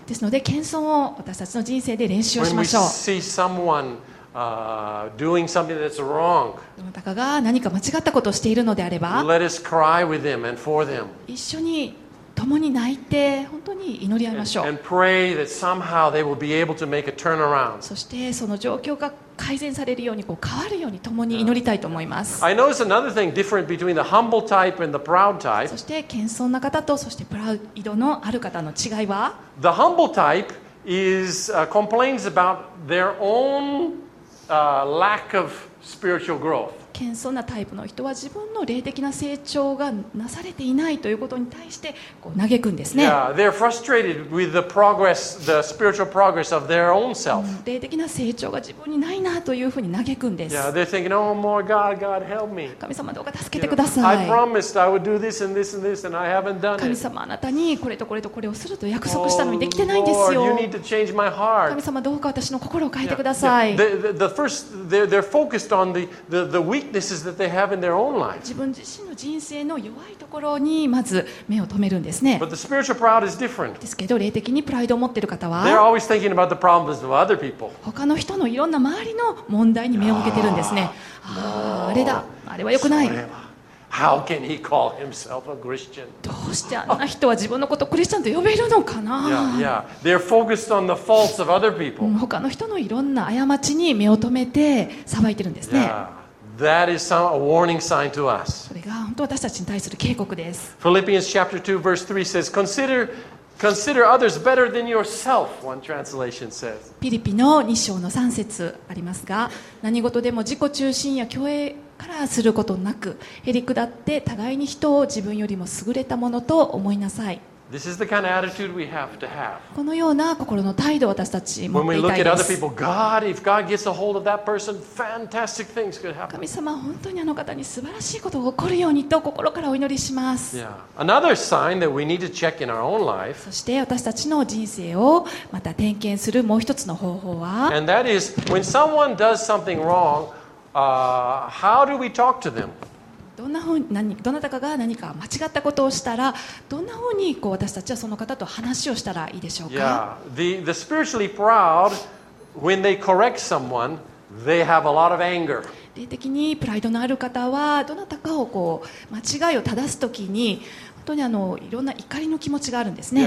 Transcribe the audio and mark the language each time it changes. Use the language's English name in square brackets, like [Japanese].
[Japanese] ですので、謙遜を私たちの人生で練習をしましょう。 [English] When we see someone, doing something that's wrong, [Japanese] どなたかが何か間違ったことをしているのであれば、 [English] let us cry with them and for them. [Japanese] 一緒に共に泣いて本当に祈り合いましょう。 [English] and pray that somehow they will be able to make a turnaround. [Japanese] そしてその状況が改善されるようにこう変わるように共に祈りたいと思います。 [English] I notice another thing different between the humble type and the proud type. [Japanese] そして謙遜な方とそしてプライドのある方の違いは、 [English] The humble type is, complains about their own, lack of spiritual growth. [Japanese] 謙遜なタイプの人は自分の霊的な成長がなされていないということに対してこう嘆くんですね。 [English] Yeah, they're frustrated with the progress, the spiritual progress of their own self. [Japanese] 霊的な成長が自分にないなというふうに嘆くんです。 [English] Yeah, they're thinking, oh, more God, God, help me. [Japanese] 神様どうか助けてください。 [English] I promised I would do this and this and this, and I haven't done it. [Japanese] 神様あなたにこれとこれとこれをすると約束したのにできてないんですよ。 [English] Oh, Lord, you need to change my heart. [Japanese] 神様どうか私の心を変えてください。 [English] Yeah, yeah. The first, they're focused on the weak. [Japanese] 自分自身の人生の弱いところにまず目を留めるんですね。 [English] But the spiritual proud is different. [Japanese] ですけど霊的にプライドを持っている方は、 [English] They're always thinking about the problems of other people. [Japanese] 他の人のいろんな周りの問題に目を向けているんですね。あれだ、あれは良くない。 [English] How can he call himself a Christian? [Japanese] どうしてあんな人は自分のことをクリスチャンと呼べるのかな。 [English] They're focused on the faults of other people. [Japanese] 他の人のいろんな過ちに目を留めて裁いているんですね。 [English] That is some, a warning sign to us. [Japanese] それが本当私たちに対する警告です。 [English] Philippians chapter 2 verse 3 says, consider others better than yourself, one translation says. [Japanese] ピリピの2章の3節ありますが、何事でも自己中心や虚栄からすることなく、へりくだって互いに人を自分よりも優れたものと思いなさい。 [English] This is the kind of attitude we have to have. [Japanese] このような心の態度を私たち持っていたいです。 [English] When we look at other people, God, if God gets a hold of that person, fantastic things could happen. [Japanese] 神様、本当にあの方に素晴らしいことが起こるようにと心からお祈りします。 [English] Yeah. Another sign that we need to check in our own life. [Japanese] そして私たちの人生をまた点検するもう一つの方法は、 [English] And that is when someone does something wrong, how do we talk to them? [Japanese] どなたかが何か間違ったことをしたら、どんなふうにこう私たちはその方と話をしたらいいでしょうか。 [English] The spiritually proud, when they correct someone, they have a lot of anger. [Japanese] 霊的にプライドのある方は、どなたかをこう間違いを正すときに、本当にあのいろんな怒りの気持ちがあるんですね。